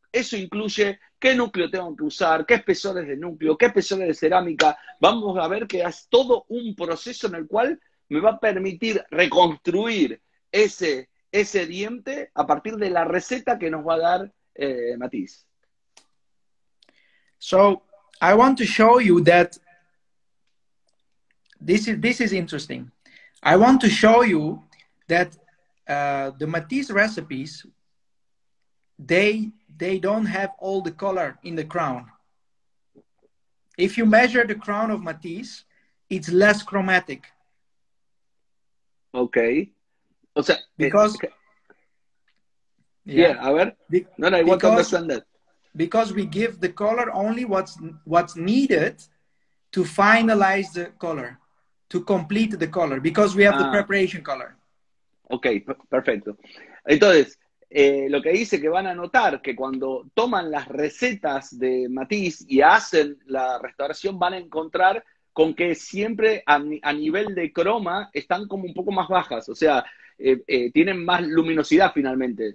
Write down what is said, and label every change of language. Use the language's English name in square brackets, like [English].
[Spanish] Eso incluye qué núcleo tengo que usar, qué espesores de núcleo, qué espesores de cerámica. Vamos a ver que es todo un proceso en el cual me va a permitir reconstruir ese diente a partir de la receta que nos va a dar Matisse. [English] So, I want to show you that this is interesting. I want to show you that the Matisse recipes, they don't have all the color in the crown. If you measure the crown of Matisse, it's less chromatic. [Spanish] Okay. O sea, [English] because... Okay. Yeah, [Spanish] a ver. [English] I want to understand that. Because we give the color only what's needed to finalize the color, to complete the color, because we have the preparation color. [Spanish] Okay, perfecto. Entonces, lo que dice que van a notar que cuando toman las recetas de Matisse y hacen la restauración, van a encontrar con que siempre a nivel de croma están como un poco más bajas. O sea, tienen más luminosidad finalmente.